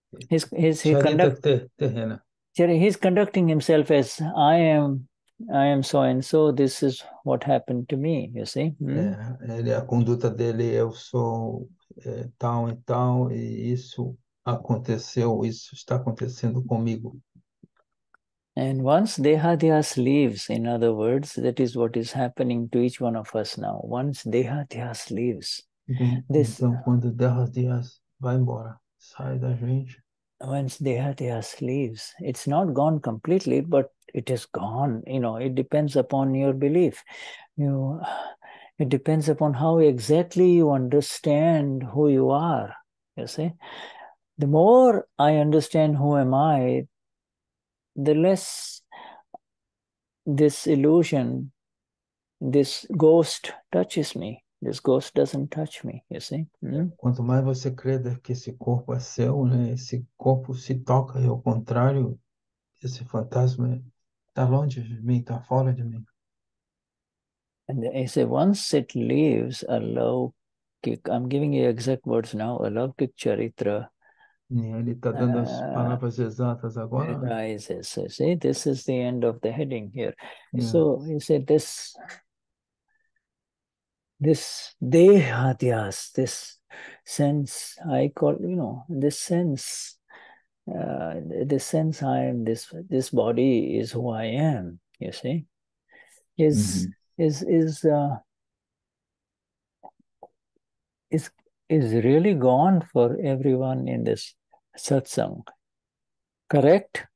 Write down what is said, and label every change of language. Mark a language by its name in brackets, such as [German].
[English] He's conducting himself as I am so and so. This is what happened to me. You see. [Portuguese] A conduta dele, eu sou tal e tal e isso. Aconteceu, isso está acontecendo comigo. [English] And once Dehadhyas leaves, in other words, that is what is happening to each one of us now. Once Dehadhyas leaves, [Portuguese] então, quando Dehadhyas vai embora, sai da gente. [English] Once Dehati Ask leaves, it's not gone completely, but it is gone. You know, it depends upon your belief. You know, it depends upon how exactly you understand who you are. You see, the more I understand who am I, the less this illusion, this ghost touches me. This ghost doesn't touch me. You see. [Portuguese] Quanto mais você crer que esse corpo é seu, né? Esse corpo se toca e ao contrário, esse fantasma está longe de mim, está fora de mim. [English] And he said, once it leaves a lofy, I'm giving you exact words now, a lofy charitra. [Portuguese] Ele está dando as palavras exatas agora. [English] Arises. See, this is the end of the heading here. Yes. So he said, this dehatyas, this sense, I call, you know, this sense I am, this body is who I am, you see, is really gone for everyone in this satsang. Correct?